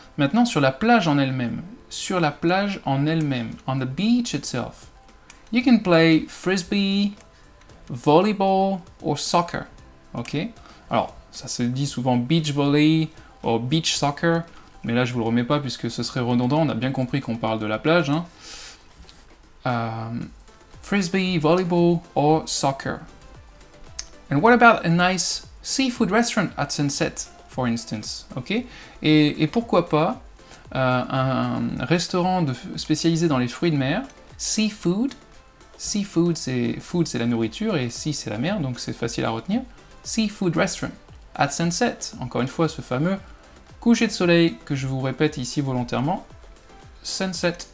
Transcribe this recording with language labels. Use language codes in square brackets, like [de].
[fr] Maintenant, sur la plage en elle-même. Sur la plage en elle-même, [en] on the beach itself, you can play frisbee, volleyball or soccer, ok? [fr] Alors, ça se dit souvent beach volley ou beach soccer, mais là je vous le remets pas puisque ce serait redondant, on a bien compris qu'on parle de la plage, hein. [en] Frisbee, volleyball or soccer. And what about a nice seafood restaurant at sunset, for instance, ok? [fr] Et pourquoi pas un restaurant spécialisé dans les fruits de mer, seafood. Seafood, c'est food, c'est la nourriture, et sea, c'est la mer, donc c'est facile à retenir. [en] Seafood restaurant, at sunset. [fr] Encore une fois, ce fameux coucher de soleil que je vous répète ici volontairement. Sunset.